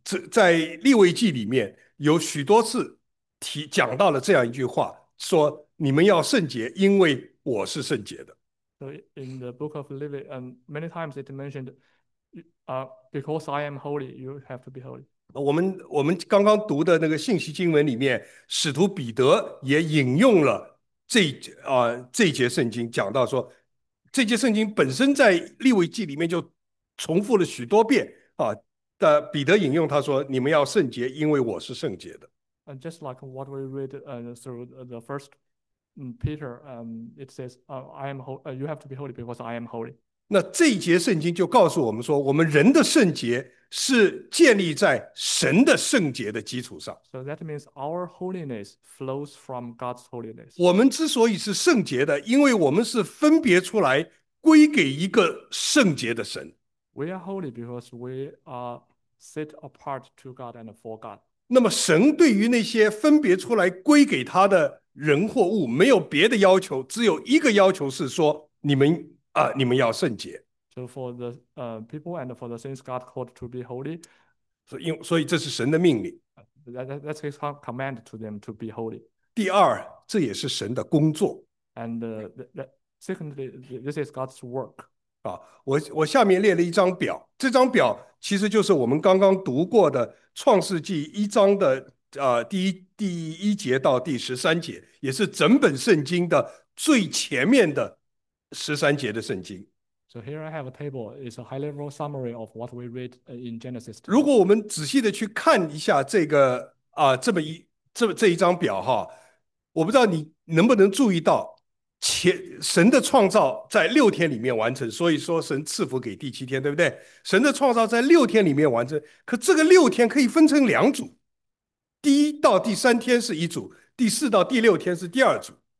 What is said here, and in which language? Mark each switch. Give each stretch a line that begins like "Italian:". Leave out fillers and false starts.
Chinese: 在立位记里面有许多次讲到了这样一句话，说你们要圣洁，因为我是圣洁的。
English: So in the Book of Levit, many times it mentioned, because I am holy, you have to be holy.
Chinese: 我们刚刚读的那个信息经文里面，使徒彼得也引用了这节圣经，讲到说，这节圣经本身在利未记里面就重复了许多遍啊。但彼得引用他说：“你们要圣洁，因为我是圣洁的。”
English: And just like what we read through the first Peter, it says, "I am holy. You have to be holy because I am holy."
Chinese: 那这一节圣经就告诉我们说，我们人的圣洁是建立在神的圣洁的基础上。
English: So that means our holiness flows from God's holiness.
Chinese: 我们之所以是圣洁的，因为我们是分别出来归给一个圣洁的神。
English: We are holy because we are set apart to God and for God.
Chinese: 那么，神对于那些分别出来归给他的人或物，没有别的要求，只有一个要求是说，你们要圣洁。
English: So for the people and for the things God called to be holy,
Chinese: 所以这是神的命令。
English: that's His command to them to be holy.
Chinese: 第二，这也是神的工作。
English: And secondly, this is God's work.
Chinese: 我下面列了一张表，这张表其实就是我们刚刚读过的创世纪一章的第一节到第十三节，也是整本圣经的最前面的十三节的圣经。
English: So here I have a table. It's a high-level summary of what we read in Genesis
Chinese: 如
English: today.
Chinese: 果我们仔细的去看一下这个这么一这么这一张表哈，我不知道你能不能注意到神的创造在六天里面完成，所以说神赐福给第七天，对不对？神的创造在六天里面完成，可这个六天可以分成两组，第一到第三天是一组，第四到第六天是第二组。